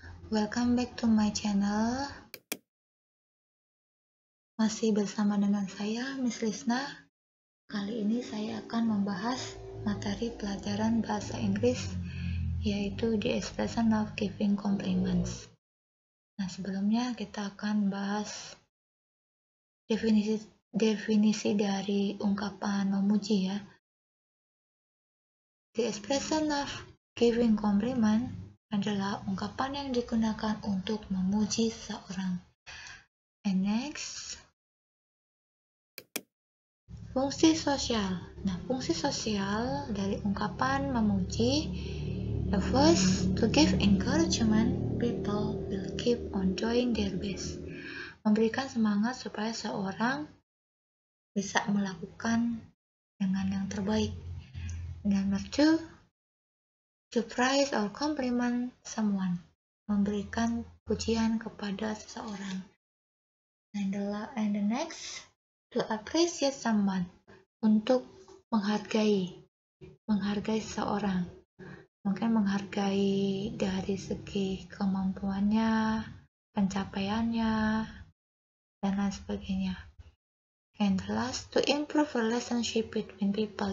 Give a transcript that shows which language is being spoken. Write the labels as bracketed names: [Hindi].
[English] Welcome back to my channel. [Indonesian] Masih bersama dengan saya, Miss Lisna. Kali ini saya akan membahas materi pelajaran bahasa Inggris, yaitu The Expression of Giving Compliments. Nah, sebelumnya kita akan bahas definisi dari ungkapan memuji ya. The expression of giving compliment adalah ungkapan yang digunakan untuk memuji seseorang. [English] And next, [Indonesian] fungsi sosial. Nah, fungsi sosial dari ungkapan memuji, [English] the first, to give encouragement, people will keep on doing their best. [Indonesian] Memberikan semangat supaya seorang bisa melakukan dengan yang terbaik. [English] Number two, to praise or compliment someone, [Indonesian] memberikan pujian kepada seseorang. [English] And the next, to appreciate someone, [Indonesian] untuk menghargai seseorang. Mungkin menghargai dari segi kemampuannya, pencapaiannya, dan lain sebagainya. [English] And last, to improve relationship between people.